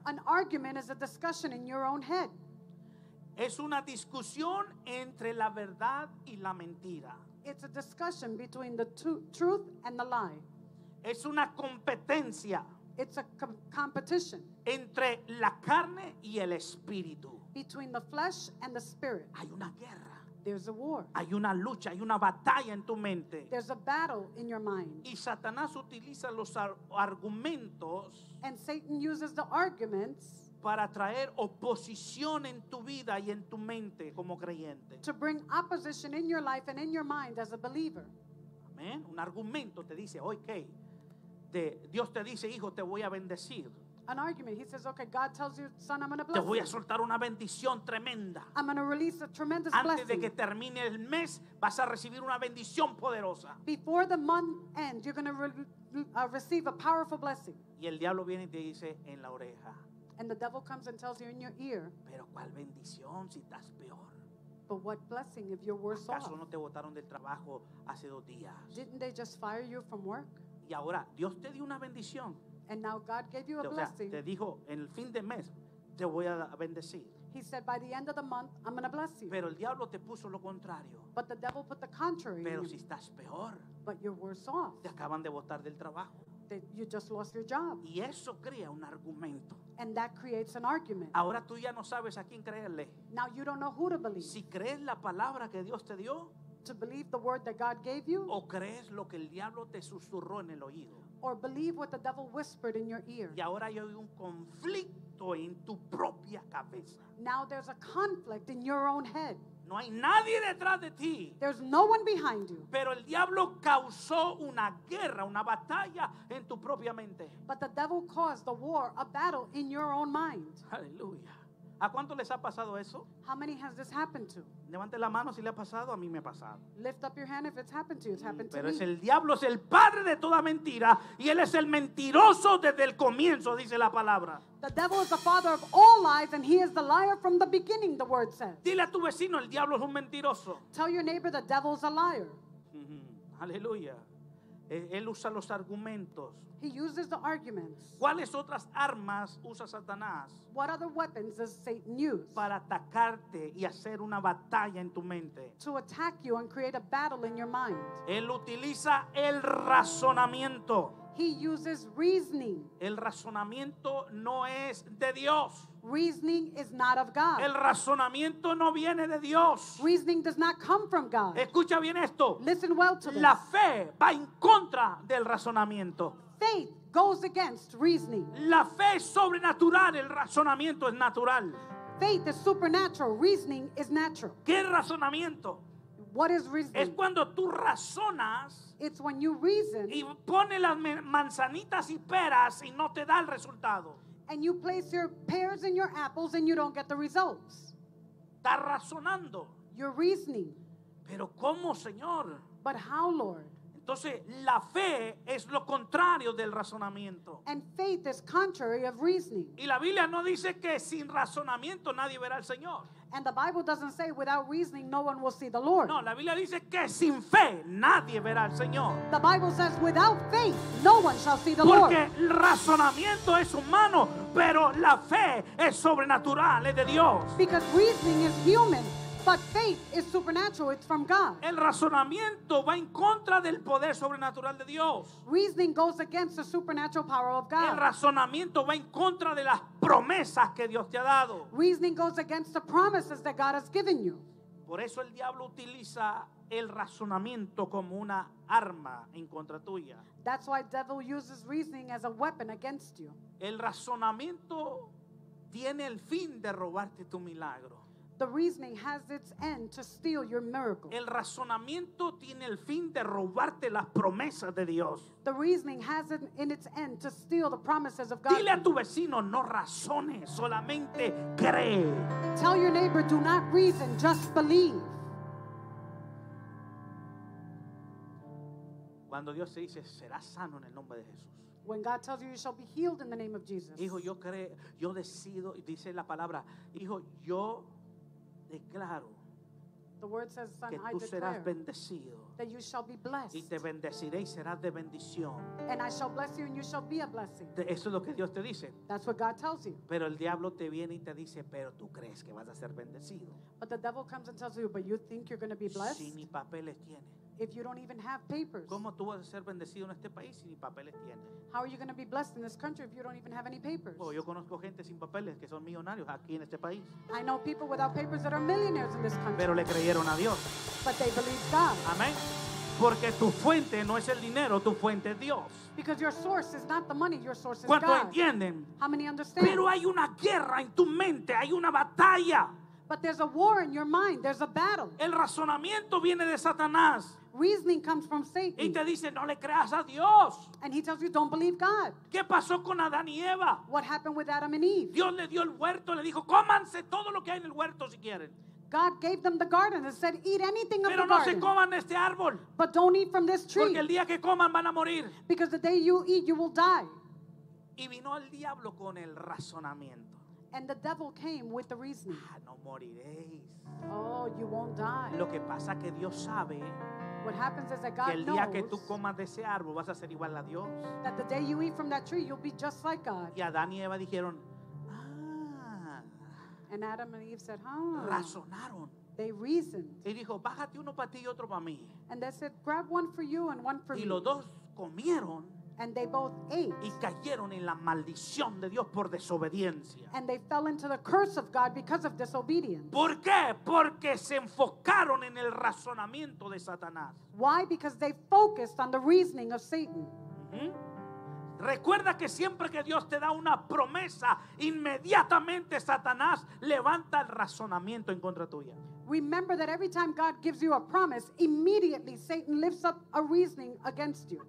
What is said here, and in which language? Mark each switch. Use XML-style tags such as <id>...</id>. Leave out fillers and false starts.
<en>An argument is a discussion in your own head.</en> <es>Es una discusión entre la verdad y la mentira.</es> <en>It's a discussion between the truth and the lie.</en> <es>Es una competencia.</es> <en>It's a competition.</en> <es>Entre la carne y el espíritu.</es> <en>Between the flesh and the spirit.</en> <es>Hay una guerra.</es> <en>There's a war.</en> <es>Hay una lucha, hay una batalla en tu mente.</es> <en>There's a battle in your mind.</en> <es>Y Satanás utiliza los argumentos.</es> <en>And Satan uses the arguments.</en> <es>Para traer oposición en tu vida y en tu mente como creyente.</es> <en>To bring opposition in your life and in your mind as a believer.</en> <es>Amén. Un argumento te dice, okay. Dios te dice, hijo, te voy a bendecir.</es> <en>An argument. He says, okay, God tells you, son, I'm going to bless you.</en> <es>Te voy a soltar una bendición tremenda.</es> <en>I'm going to release a tremendous blessing.</en> <es>Antes de que termine el mes, vas a recibir una bendición poderosa.</es> <en>Before the month ends, you're going to receive a powerful blessing.</en> <es>Y el diablo viene y te dice en la oreja.</es> <en>And the devil comes and tells you in your ear.</en> <es>Pero ¿cuál bendición si estás peor?</es> <en>But what blessing if you're worse off?</en> <es>¿Acaso no te botaron del trabajo hace 2 días?</es> <en>Didn't they just fire you from work?</en> <es>Y ahora Dios te dio una bendición.</es> <en>And now God gave you a blessing.</en> <es>Te dijo, en el fin de mes, te voy a bendecir.</es> <en>He said, by the end of the month, I'm going to bless you.</en> <es>Pero el diablo te puso lo contrario.</es> <en>But the devil put the contrary.</en> <es>Pero si estás peor.</es> <en>But you're worse off.</en> <es>Te acaban de botar del trabajo.</es> <en>That you just lost your job.</en> <es>Y eso crea un argumento.</es> <en>And that creates an argument.</en> <es>Ahora tú ya no sabes a quién creerle.</es> <en>Now you don't know who to believe.</en> <es>Si crees la palabra que Dios te dio.</es> <en>To believe the word that God gave you.</en> <es>O crees lo que el diablo te susurró en el oído.</es> <en>Or believe what the devil whispered in your ear.</en> <es>Y ahora hay un conflicto en tu propia cabeza.</es> <en>Now there's a conflict in your own head.</en> <es>No hay nadie detrás de ti.</es> <en>There's no one behind you.</en> <es>Pero el diablo causó una guerra, una batalla en tu propia mente.</es> <en>But the devil caused a war, a battle in your own mind.</en> <es>Aleluya. ¿A cuánto les ha pasado eso?</es> <en>How many has this happened to?</en> <es>Levante la mano si le ha pasado, a mí me ha pasado.</es> <en>Lift up your hand if it's happened to you, it's happened to</en> <es>pero</es> <en>me.</en> <es>Pero es el diablo, es el padre de toda mentira, y él es el mentiroso desde el comienzo, dice la palabra.</es> <en>The devil is the father of all lies, and he is the liar from the beginning, the word says.</en> <es>Dile a tu vecino, el diablo es un mentiroso.</es> <en>Tell your neighbor the devil is a liar.</en> <es>Aleluya. Él usa los argumentos.</es> <en>He uses the arguments.</en> <es>¿Cuáles otras armas usa Satanás?</es> <en>What other weapons does Satan use?</en> <es>Para atacarte y hacer una batalla en tu mente.</es> <en>To attack you and create a battle in your mind.</en> <es>Él utiliza el razonamiento.</es> <en>He uses reasoning.</en> <es>El razonamiento no es de Dios.</es> <en>Reasoning is not of God.</en> <es>El razonamiento no viene de Dios.</es> <en>Reasoning does not come from God.</en> <es>Escucha bien esto.</es> <en>Listen well to this.</en> <es>La fe va en contra del razonamiento.</es> <en>Faith goes against reasoning.</en> <es>La fe es sobrenatural, el razonamiento es natural.</es> <en>Faith is supernatural, reasoning is natural.</en> <es>¿Qué razonamiento?</es> <en>What is reasoning?</en> <es>Es cuando tú razonas.</es> <en>It's when you reason.</en> <es>Y pone las manzanitas y peras y no te da el resultado.</es> <en>And you place your pears and your apples and you don't get the results.</en> <es>Está razonando.</es> <en>You're reasoning.</en> <es>Pero ¿cómo, Señor?</es> <en>But how, Lord?</en> <es>Entonces, la fe es lo contrario del razonamiento.</es> <en>And faith is contrary of reasoning.</en> <es>Y la Biblia no dice que sin razonamiento nadie verá al Señor.</es> <en>And the Bible doesn't say without reasoning no one will see the Lord.</en> <es>No, la Biblia dice que sin fe nadie verá al Señor.</es> <en>The Bible says without faith no one shall see the</en> <es>Porque</es> <en>Lord.</en> <es>Porque el razonamiento es humano, pero la fe es sobrenatural, es de Dios.</es> <en>Because reasoning is human, but faith is supernatural, it's from God.</en> <es>El razonamiento va en contra del poder sobrenatural de Dios.</es> <en>Reasoning goes against the supernatural power of God.</en> <es>El razonamiento va en contra de las promesas que Dios te ha dado.</es> <en>Reasoning goes against the promises that God has given you.</en> <es>Por eso el diablo utiliza el razonamiento como una arma en contra tuya.</es> <en>That's why the devil uses reasoning as a weapon against you.</en> <es>El razonamiento tiene el fin de robarte tu milagro.</es> <en>The reasoning has its end to steal your miracle.</en> <es>El razonamiento tiene el fin de robarte las promesas de Dios.</es> <en>The reasoning has it in its end to steal the promises of God.</en> <es>Dile a tu vecino, no razones, solamente cree.</es> <en>Tell your neighbor, do not reason, just believe.</en> <es>Cuando Dios te dice, serás sano en el nombre de Jesús.</es> <en>When God tells you, you shall be healed in the name of Jesus.</en> <es>Hijo, yo creo, yo decido, dice la palabra, hijo, yo declaro</es> <en>the word says, son,</en> <es>que tú</es> <en>I declare</en> <es>serás bendecido</es> <en>that you shall be blessed.</en> <es>Y te bendeciré y serás de bendición.</es> <en>And I shall bless you and you shall be a blessing.</en> <es>Eso es lo que Dios te dice.</es> <en>That's what God tells you.</en> <es>Pero el diablo te viene y te dice, pero tú crees que vas a ser bendecido.</es> <en>But the devil comes and tells you, but you think you're going to be blessed?</en> <es>Si ni papeles tienes.</es> <en>If you don't even have papers.</en> <es>¿Cómo tú vas a ser bendecido en este país si ni papeles tienes?</es> <en>How are you going to be blessed in this country if you don't even have any papers?</en> <es>Oh, yo conozco gente sin papeles que son millonarios aquí en este país.</es> <en>I know people without papers that are millionaires in this country.</en> <es>Pero le creyeron a Dios.</es> <en>But they believed God.</en> <es>Amén. Porque tu fuente no es el dinero, tu fuente es Dios.</es> <en>Because your source is not the money, your source is</en> <es>¿Cuánto</es> <en>God.</en> <es>¿Cuánto entienden?</es> <en>How many understand?</en> <es>Pero hay una guerra en tu mente, hay una batalla.</es> <en>But there's a war in your mind, there's a battle.</en> <es>El razonamiento viene de Satanás.</es> <en>Reasoning comes from Satan.</en> <es>Y te dice, no le creas a Dios.</es> <en>And he tells you, don't believe God.</en> <es>¿Qué pasó con Adán y Eva?</es> <en>What happened with Adam and Eve?</en> <es>Dios le dio el huerto, le dijo, cómanse todo lo que hay en el huerto si quieren.</es> <en>God gave them the garden and said, eat anything</en> <es>pero</es> <en>of the garden.</en> <es>Se coman este árbol.</es> <en>But don't eat from this tree.</en> <es>Porque el día que coman van a morir.</es> <en>Because the day you eat, you will die.</en> <es>Y vino el diablo con el razonamiento.</es> <en>And the devil came with the reasoning.</en> <es>Ah, no moriréis.</es> <en>Oh, you won't die.</en> <es>Lo que pasa que Dios sabe.</es> <en>What happens is that God</en> <es>que el día</es> <en>knows</en> <es>que tú comas de ese árbol vas a ser igual a Dios.</es> <en>That the day you eat from that tree, you'll be just like God.</en> <es>Y Adán y Eva dijeron, ah.</es> <en>And Adam and Eve said, huh.</en> <es>Razonaron.</es> <en>They reasoned.</en> <es>Y dijo, bájate uno para ti y otro para mí.</es> <en>And they said, grab one for you and one for</en> <es>y</es> <en>me.</en> <es>Y los dos comieron.</es> <en>And they both ate.</en> <es>Y cayeron en la maldición de Dios por desobediencia.</es> <en>And they fell into the curse of God because of disobedience.</en> <es>¿Por qué? Porque se enfocaron en el razonamiento de Satanás.</es> <en>Why? Because they focused on the reasoning of Satan. Mm-hmm.</en> <es>Recuerda que siempre que Dios te da una promesa, inmediatamente Satanás levanta el razonamiento en contra tuya.</es> <en>Remember that every time God gives you a promise, immediately Satan lifts up a reasoning against you.</en>